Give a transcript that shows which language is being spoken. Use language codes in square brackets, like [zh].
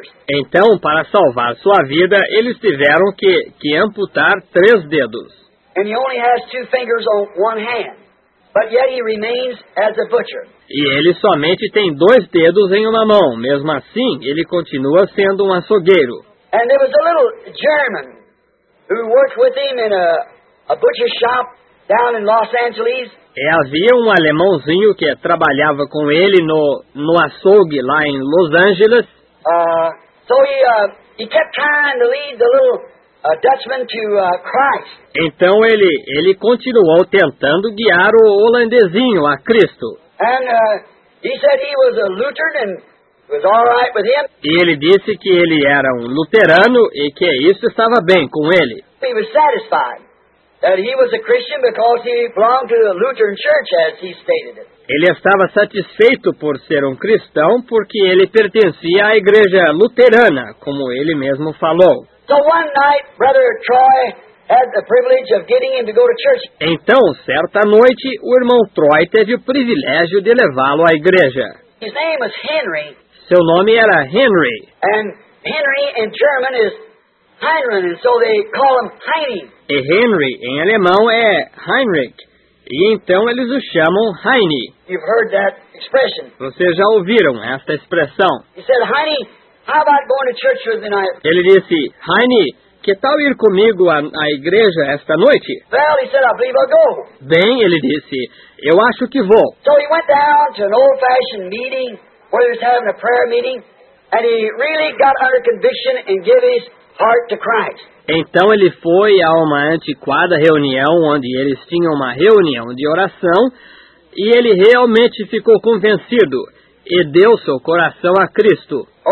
[pt] Então, para salvar sua vida, eles tiveram que amputar três dedos. [en] And he only has two fingers on one hand, but yet he remains as a butcher. [pt] E ele somente tem dois dedos em uma mão. Mesmo assim, ele continua sendo um açougueiro. [en] And there was a little German who worked with him in a butcher shop down in Los Angeles. [pt] E havia um alemãozinho que trabalhava com ele no açougue lá em Los Angeles. [en] So he kept trying to lead the little Dutchman to Christ. [pt] Então ele continuou tentando guiar o holandesinho a Cristo. [en] And he said he was a Lutheran and was all right with him. [pt] E ele disse que ele era um luterano e que isso estava bem com ele. [en] He was satisfied that he was a Christian because he belonged to the Lutheran church, as he stated it. [pt] Ele estava satisfeito por ser um cristão porque ele pertencia à igreja luterana, como ele mesmo falou. [en] So one night, Brother Troy had the privilege of getting him to go to church. [pt] Então, certa noite, o irmão Troy teve o privilégio de levá-lo à igreja. [en] His name was Henry. [pt] Seu nome era Henry. [en] And Henry in German is Heinrich, and so they call him Heini. [pt] E Henry em alemão é Heinrich, e então eles o chamam Heini. [en] You've heard that expression. [pt] Vocês já ouviram esta expressão? [en] He said, "Heini, how about going to church with me tonight?" [pt] Ele disse, "Heini, que tal ir comigo à igreja esta noite?" [en] Well, he said, "I believe I'll go." [pt] Bem, ele disse, "Eu acho que vou." [en] So he went down to an old-fashioned meeting where he was having a prayer meeting, and he really got under conviction and gave his heart to Christ. [pt] Então ele foi a uma antiquada reunião onde eles tinham uma reunião de oração e ele realmente ficou convencido e deu seu coração a Cristo.